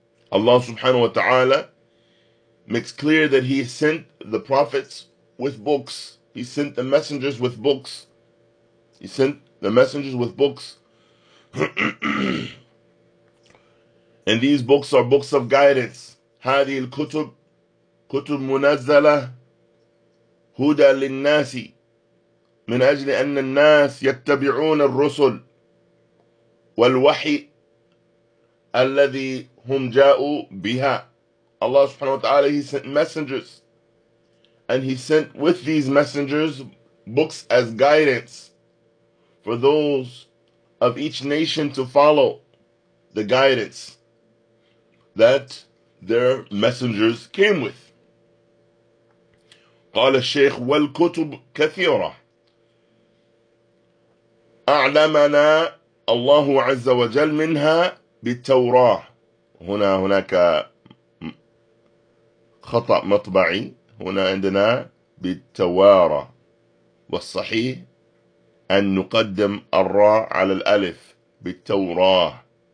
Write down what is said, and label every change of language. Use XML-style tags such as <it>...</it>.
<en>Allah subhanahu wa ta'ala makes clear that he sent the prophets with books. He sent the messengers with books. He sent the messengers with books. And these books are books of guidance.</en> <ar>هذه الكتب, كتب منزلة. هدى للناس من أجل أن الناس يتبعون الرسل والوحي الذي هم جاءوا بها.</ar> <en>Allah subhanahu wa ta'ala, he sent messengers, and he sent with these messengers books as guidance for those of each nation to follow the guidance that their messengers came with.</en> <ar>قال الشيخ والكتب كثيرة أعلمنا الله عز وجل منها بالتوراة. هناك خطأ مطبعي. هنا عندنا بالتوارة والصحيح أن نقدم الراء على الألف بالتوراة.</ar>